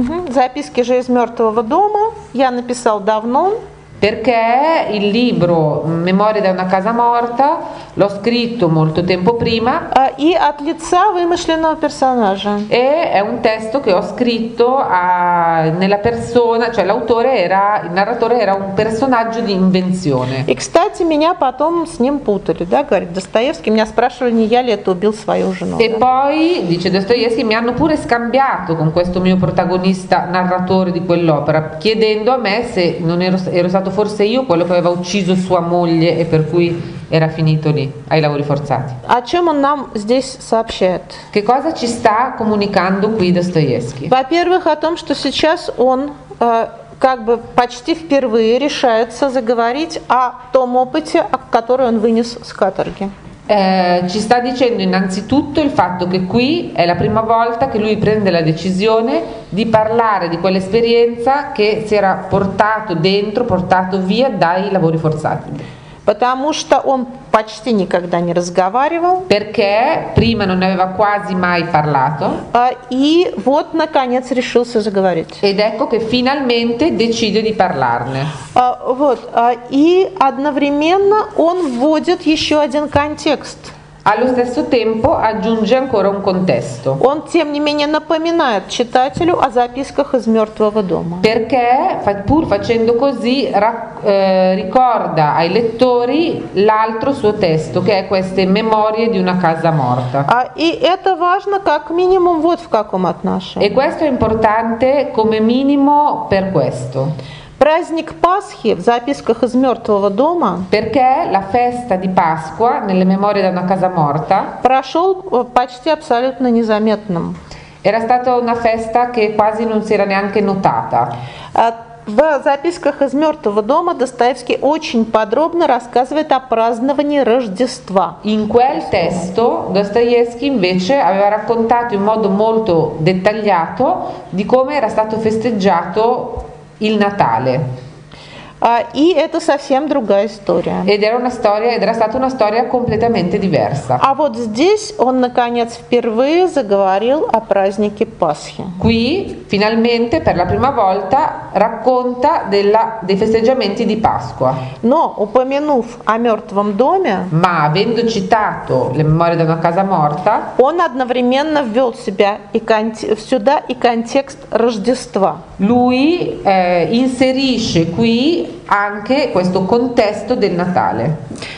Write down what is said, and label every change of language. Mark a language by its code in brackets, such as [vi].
[ru] Записки же из мертвого дома я написал давно. [it] Perché il libro Memorie da una casa morta l'ho scritto molto tempo prima. [ru] И от лица вымышленного персонажа. [it] E è un testo che ho scritto nella persona, cioè l'autore era, il narratore era un personaggio di invenzione. [ru] И кстати меня потом с ним путали, да, говорит Достоевский, меня спрашивали, не я ли это убил свою жену. [it] E poi dice Достоевский, mi hanno pure scambiato con questo mio protagonista narratore di quell'opera, chiedendo a me se non ero stato forse io quello che aveva ucciso sua moglie e per cui era finito lì ai lavori forzati. [ru] А чем он нам здесь сообщает? [it] Che cosa ci sta comunicando qui Достоевский? [ru] Во-первых, о том, что сейчас он как бы почти впервые решается заговорить о том опыте, который он вынес с каторги. [it] Ci sta dicendo innanzitutto il fatto che qui è la prima volta che lui prende la decisione di parlare di quell'esperienza che si era portato dentro, portato via dai lavori forzati. [ru] Потому что он почти никогда не разговаривал. [it] Perché prima non aveva quasi mai parlato. [ru] И вот наконец решился заговорить. [it] Ed ecco che finalmente decide di parlarne. [ru] И одновременно он вводит еще один контекст. [it] Allo stesso tempo aggiunge ancora un contesto. [ru] Он тем не менее напоминает читателю о записках из мертвого дома. [it] Perché pur facendo così ricorda ai lettori l'altro suo testo, che è queste memorie di una casa morta. [ru] И это важно как минимум вот в каком отношении. [it] E questo è importante come minimo per questo. [ru] Праздник Пасхи в записках из мертвого дома. [it] Perché la festa di Pasqua nelle memorie da una casa morta. [ru] Прошел почти абсолютно незаметным. [it] Era stata una festa che quasi non si era neanche notata. [ru] В записках из мертвого дома Достоевский очень подробно рассказывает о праздновании Рождества. [it] In quel testo Dostoevsky invece aveva raccontato in modo molto dettagliato di come era stato festeggiato il Natale. [ru] И это совсем другая история. [it] Ed era una storia, ed era stata una storia completamente diversa. [ru] А вот здесь он наконец впервые заговорил о празднике Пасхи. [it] Qui finalmente per la prima volta racconta dei festeggiamenti di Pasqua. [ru] Но упомянув о мертвом доме, [it] ma avendo citato le memorie di una casa morta, [ru] он одновременно ввел себя и сюда и контекст Рождества. [it] Lui inserisce qui anche questo contesto del Natale.